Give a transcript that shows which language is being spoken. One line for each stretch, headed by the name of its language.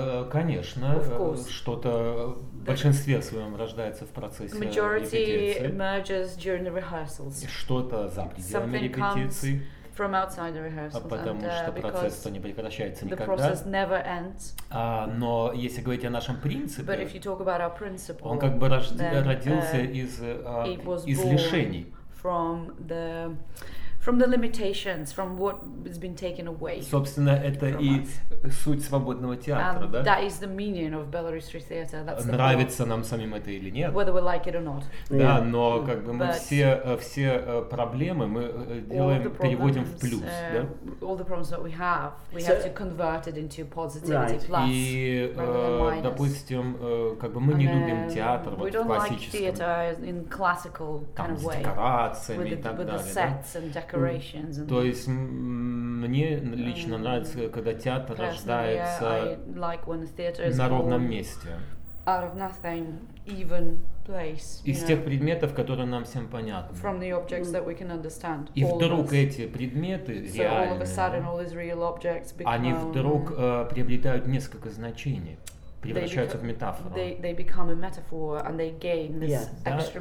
Russian: Конечно, что-то в большинстве своем рождается в процессе репетиции. Что-то за пределами репетиции.
English: From outside the rehearsals,
Russian: потому
English: and,
Russian: что процесс-то не прекращается
English: the
Russian: никогда.
English: Never ends.
Russian: Но если говорить о нашем принципе,
English: but if you talk about our principle,
Russian: он как бы родился из лишений.
English: From the limitations, from what has been taken away.
Russian: Собственно, это и суть свободного театра, да?
English: That is the meaning of Belarus Free Theatre.
Russian: Нравится нам самим это или нет?
English: Whether we like it or not.
Russian: Да, но как бы мы все проблемы мы делаем, переводим в плюс, да?
English: All the problems that we have to convert it into positivity plus.
Russian: И допустим, как бы мы не любим театр в классическом.
English: We don't like theater in classical kind of way.
Russian: С декорациями и так далее. То есть мне лично нравится, когда театр рождается на ровном месте.
English: Out of nothing, even place.
Russian: Из тех предметов, которые нам всем понятны.
English: From the objects that we can understand.
Russian: И вдруг эти предметы реальные, они вдруг приобретают несколько значений. Превращаются в метафору.
English: They become a metaphor and they gain this extra